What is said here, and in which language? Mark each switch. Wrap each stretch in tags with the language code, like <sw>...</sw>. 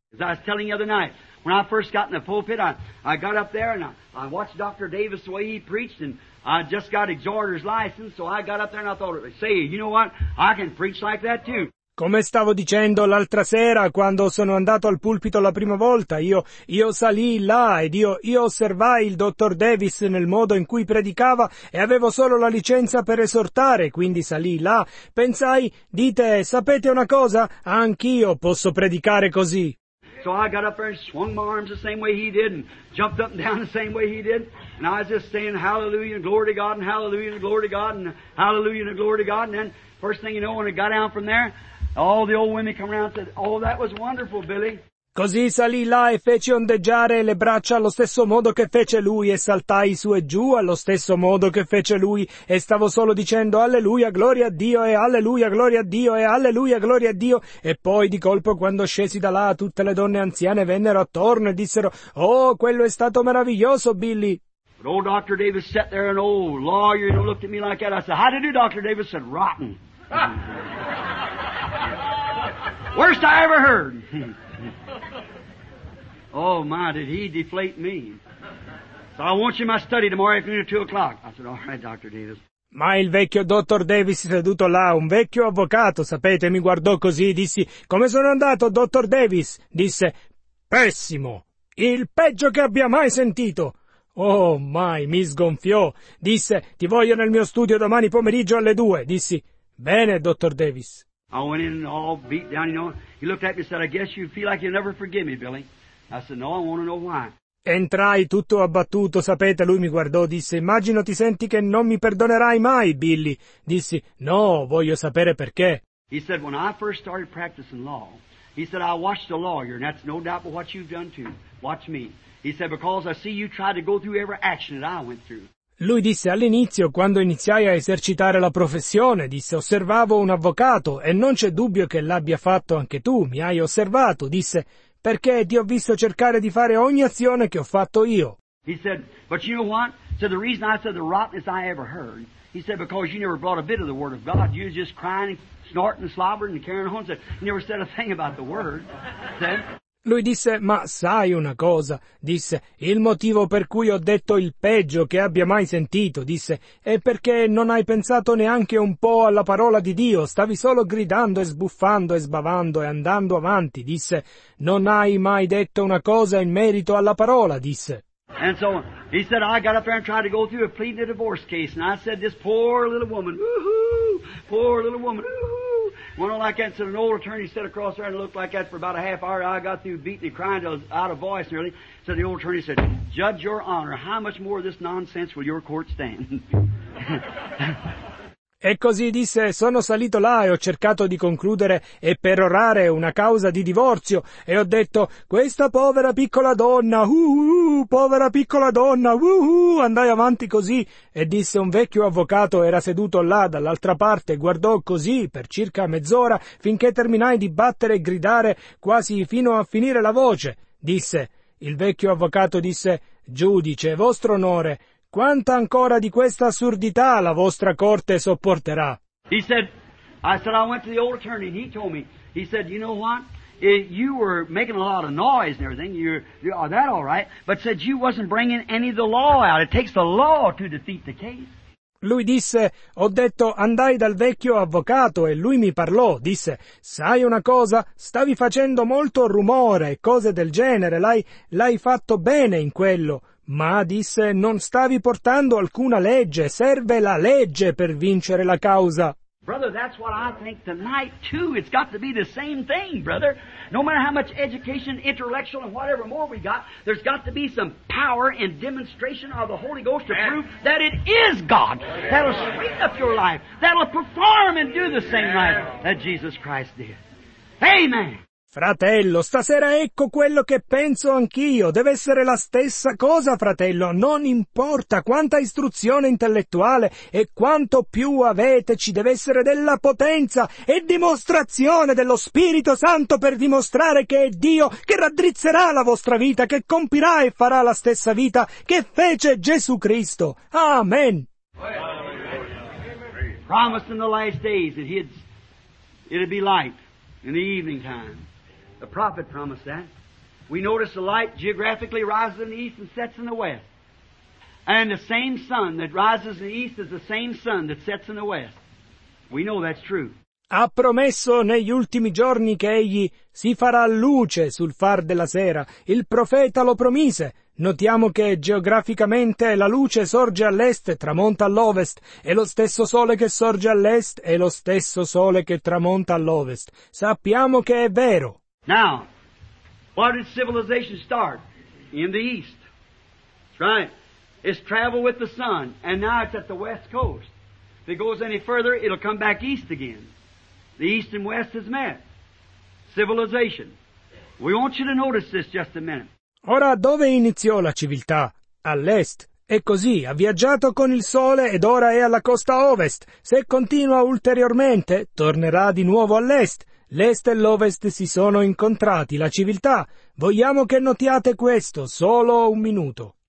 <en>As I was telling the other night, when I first got in the pulpit, I got up there and I watched Dr. Davis the way he preached and I just got exhorter's license, so I got up there and I thought, say, you know what, I can preach like that too.</en> <it>Come stavo dicendo l'altra sera, quando sono andato al pulpito la prima volta, io salii là ed io osservai il dottor Davis nel modo in cui predicava e avevo solo la licenza per esortare, quindi salii là. Pensai, dite, sapete una cosa? Anch'io posso predicare così.</it> <en>So I got up there and swung my arms the same way he did and jumped up and down the same way he did. And I was just saying hallelujah and glory to God and hallelujah and glory to God and hallelujah and glory to God. And then first thing you know, when it got out from there, all the old women come around and said, oh, that was wonderful, Billy.</en> <it>Così salì là e feci ondeggiare le braccia allo stesso modo che fece lui e saltai su e giù allo stesso modo che fece lui e stavo solo dicendo alleluia, gloria a Dio e alleluia, gloria a Dio e alleluia, gloria a Dio e poi di colpo quando scesi da là tutte le donne anziane vennero attorno e dissero oh, quello è stato meraviglioso, Billy.</it> <en>But old Dr. Davis sat there, an old lawyer, and looked at me like that. I said, how did you do, Dr. Davis? Said, rotten. Worst I ever heard. Oh my, did he deflate me? So I want you in my study tomorrow afternoon at 2 o'clock. I said, all right, Dr. Davis.</en> <it>Ma il vecchio dottor Davis seduto là, un vecchio avvocato, sapete, mi guardò così e dissi, come sono andato, dottor Davis? Disse, pessimo, il peggio che abbia mai sentito. Oh, mai, mi sgonfiò. Disse, ti voglio nel mio studio domani pomeriggio alle 2. Dissi, bene, dottor Davis.</it> <en>I went in all beat down, you know. He looked at me and said, I guess you feel like you'll never forgive me, Billy. I said, no, I want to know why.</en> <it>Entrai tutto abbattuto, sapete, lui mi guardò, disse, immagino ti senti che non mi perdonerai mai, Billy. Dissi, no, voglio sapere perché.</it> <en>He said, when I first started practicing law, he said, I watched a lawyer, and that's no doubt but what you've done too. Watch me. He said, because I see you tried to go through every action that I went through.</en> <it>Lui disse, all'inizio, quando iniziai a esercitare la professione, disse, osservavo un avvocato, e non c'è dubbio che l'abbia fatto anche tu, mi hai osservato, disse, perché ti ho visto cercare di fare ogni azione che ho fatto io.</it> <en>He said, but you know what? So the reason I said the rottenest I ever heard, he said, because you never brought a bit of the word of God. You was just crying and snorting and slobbering and carrying on. Said, you never said a thing about the word. Said.</en> <it>Lui disse, ma sai una cosa? Disse, il motivo per cui ho detto il peggio che abbia mai sentito, disse, è perché non hai pensato neanche un po' alla parola di Dio, stavi solo gridando e sbuffando e sbavando e andando avanti, disse, non hai mai detto una cosa in merito alla parola, disse.</it> <en>And so, he said, I got up there and tried to go through a pleading a divorce case, and I said, this poor little woman, woo-hoo, poor little woman, woo-hoo. One like that, said an old attorney sat across there and looked like that for about a half hour. I got through beating and crying till I was out of voice nearly. So the old attorney said, Judge, Your Honor, how much more of this nonsense will your court stand?</en> <it>E così disse, sono salito là e ho cercato di concludere e perorare una causa di divorzio. E ho detto, questa povera piccola donna, povera piccola donna, andai avanti così. E disse, un vecchio avvocato era seduto là dall'altra parte, guardò così per circa mezz'ora, finché terminai di battere e gridare, quasi fino a finire la voce. Disse, il vecchio avvocato disse, giudice, vostro onore, quanta ancora di questa assurdità la vostra corte sopporterà?</it> <en>He said, I said, I went to the old attorney and he told me, he said, you know what? If you were making a lot of noise and everything, you're that all right, but said you wasn't bringing any of the law out. It takes the law to defeat the case.</en> <it>Lui disse, ho detto, andai dal vecchio avvocato e lui mi parlò, disse, sai una cosa, stavi facendo molto rumore e cose del genere, l'hai fatto bene in quello. Ma, disse, non stavi portando alcuna legge, serve la legge per vincere la causa.</it> <en>Brother, that's what I think tonight too. It's got to be the same thing, brother. No matter how much education, intellectual, and whatever more we got, there's got to be some power and demonstration of the Holy Ghost to prove that it is God. That'll straighten up your life. That'll perform and do the same life that Jesus Christ did. Amen!</en> <it>Fratello, stasera ecco quello che penso anch'io. Deve essere la stessa cosa, fratello. Non importa quanta istruzione intellettuale e quanto più avete, ci deve essere della potenza e dimostrazione dello Spirito Santo per dimostrare che è Dio che raddrizzerà la vostra vita, che compirà e farà la stessa vita che fece Gesù Cristo. Amen.</it> <en>Promised in the last days that it'd be light in the evening time. The prophet promised that. We notice the light geographically rises in the east and sets in the west. And the same sun that rises in the east is the same sun that sets in the west. We know that's true.</en> <it>Ha promesso negli ultimi giorni che egli si farà luce sul far della sera. Il profeta lo promise. Notiamo che geograficamente la luce sorge all'est e tramonta all'ovest. È lo stesso sole che sorge all'est e lo stesso sole che tramonta all'ovest. Sappiamo che è vero.</it> <en>Now, where did civilization start? In the east. That's right. It's travel with the sun, and now it's at the west coast. If it goes any further, it'll come back east again. The east and west has met. Civilization. We want you to notice this just a minute.</en> <it>Ora, dove iniziò la civiltà? All'est. E così, ha viaggiato con il sole ed ora è alla costa ovest. Se continua ulteriormente, tornerà di nuovo all'est. L'est e l'ovest si sono incontrati, la civiltà. Vogliamo che notiate questo, solo un minuto.</it>